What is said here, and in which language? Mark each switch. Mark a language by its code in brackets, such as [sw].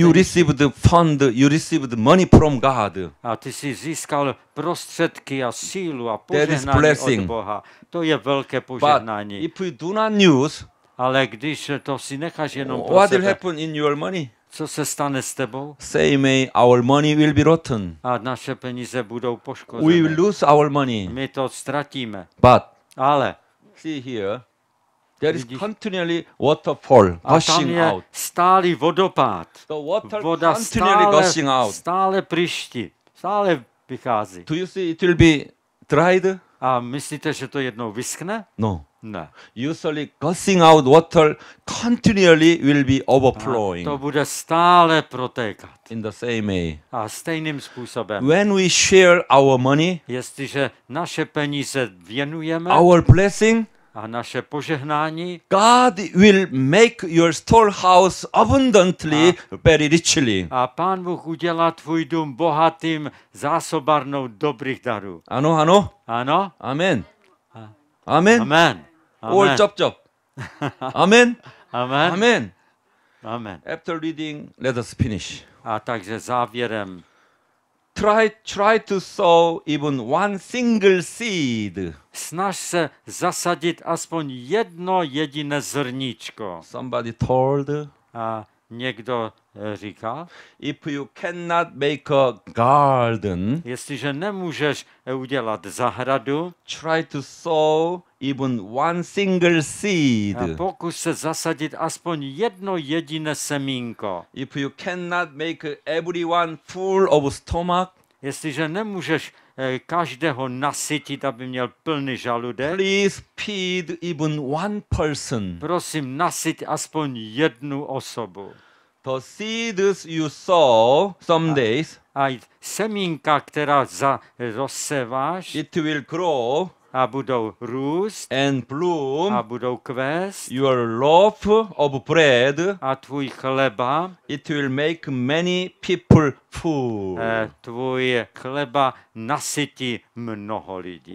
[en] You received fund, you received money from God. [cs] A ty jsi získal prostředky a sílu a požehnání od Boha. To je velké požehnání. [en] But if we do not use, [cs] ale když to si necháš jenom pro sebe. [en] What will happen in your money? [cs] Co se stane s tebou? [en] Same way, our money will be rotten. [cs] A naše peníze budou poškozené. [en] We will lose our money. [cs] My to ztratíme. [en] But. [cs] Ale. [en] See here. There is continually waterfall gushing out. [cs] A tam je stálý vodopád. [en] The water [cs] voda [en] continually gushing out. [cs] Stále prýští. Stále vychází. [en] Do you see it will be dried? [cs] A myslíte, že to jednou vyschne? [en] No. [cs] Ne. [en] Usually gushing out water continually will be overflowing. [cs] A to bude stále protékat. [en] In the same way. [cs] A stejným způsobem. [en] When we share our money, [cs] jestliže naše peníze věnujeme, [en] our blessing, [cs] a naše požehnání, [en] God will make your storehouse abundantly, very richly. [cs] A Pán Bůh udělá tvůj dům bohatým zásobarnou dobrých darů. Ano, ano. Ano. Amen. Amen. Amen. All chop chop. Amen. Amen. Amen. Amen. [en] After reading, let us finish. [cs] A takže závěrem. [en] Try to sow even one single seed. [cs] Snaž se zasadit aspoň jedno jediné zrníčko. [en] Somebody told. [cs] A někdo říká. [en] If you cannot make a garden, [cs] jestliže nemůžeš udělat zahradu, [en] try to sow even one single seed. [cs] A pokus se zasadit aspoň jedno jediné semínko. [en] If you cannot make everyone full of stomach, [cs] jestliže nemůžeš každého nasytit, aby měl plný žaludek. [en] Please feed even one person. [cs] Prosím, nasyť aspoň jednu osobu. [en] The seeds you sow some days. [cs] A semínka, která rozseváš. [en] It will grow. [cs] A budou růst. [en] And bloom. [cs] A budou kvést. [en] Your loaf of bread. [cs] A tvůj chleba. [en] It will make many people full. [cs] Tvůj chleba nasytí mnoho lidí.